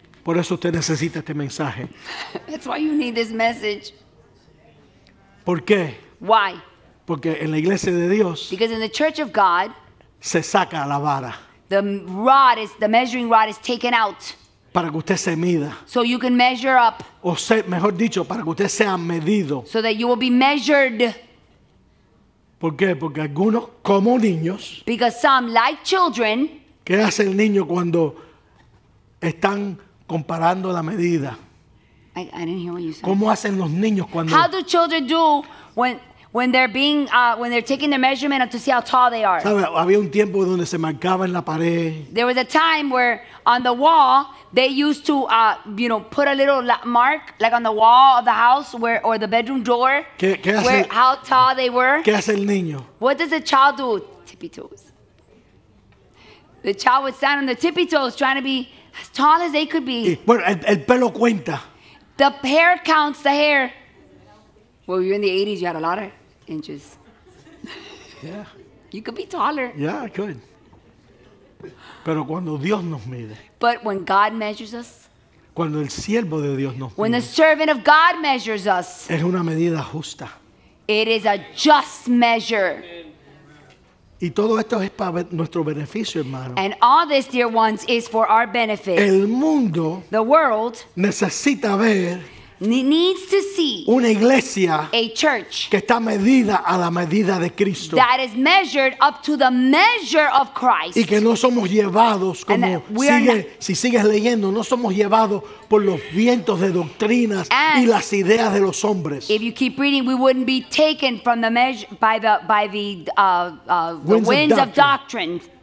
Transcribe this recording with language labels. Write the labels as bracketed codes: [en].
[es] Por eso usted necesita este mensaje. [en] That's why you need this message. [es] ¿Por qué? [en] Why? [es] Porque en la iglesia de Dios. [en] Because in the church of God. [es] Se saca la vara. [en] The rod is, the measuring rod is taken out. [es] Para que usted se mida. [en] So you can measure up. [es] O sea, mejor dicho, para que usted sea medido. [en] So that you will be measured. [es] ¿Por qué? Porque algunos, como niños. [en] Because some, like children. [es] ¿Qué hace el niño cuando están comparando la medida? [en] I didn't hear what you said. [es] ¿Cómo hacen los niños cuando? [en] How do children do when they're being when they're taking their measurement to see how tall they are? [es] ¿Sabe? Había un tiempo donde se marcaba en la pared. [en] There was a time where on the wall they used to you know, put a little mark like on the wall of the house where or the bedroom door. [es] ¿Qué hace? [en] Where how tall they were. [es] ¿Qué hace el niño? [en] What does the child do? Tippy toes. The child would stand on the tippy toes trying to be as tall as they could be. [es] Bueno, el pelo cuenta. [en] The hair counts the hair. Well, you're in the 80s, you had a lot of inches. Yeah. You could be taller. Yeah, I could. [es] Pero cuando Dios nos mide. [en] But when God measures us. [es] Cuando el siervo de Dios nos mide. [en] When the servant of God measures us. [es] Es una medida justa. [en] It is a just measure. [es] Y todo esto es para nuestro beneficio, hermano. [en] And all this, dear ones, is for our benefit. [es] El mundo, [en] the world, [es] necesita ver, [en] needs to see, [es] una iglesia, [en] a church, [es] que está medida a la medida de Cristo, [en] that is measured up to the measure of Christ, [es] y que no somos llevados como si sigues leyendo, no somos llevados por los vientos de doctrinas y las ideas de los hombres. [en] If you keep reading, we wouldn't be taken from the measure by the winds of doctrine.